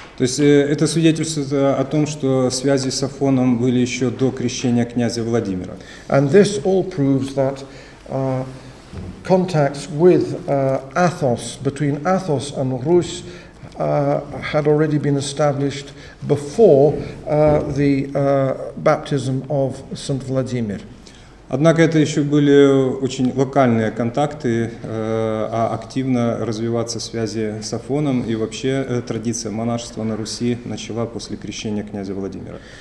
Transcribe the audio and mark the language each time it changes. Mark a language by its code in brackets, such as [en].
[ru] То есть это свидетельствует о том, что связи с Афоном были еще до крещения князя Владимира. [en] And this all proves that contacts with Athos, between Athos and Rus, had already been established before the baptism of Saint Vladimir. [ru] Однако это еще были очень локальные контакты, а активно развиваться связи с Афоном и вообще традиция монашества на Руси начала после крещения князя Владимира.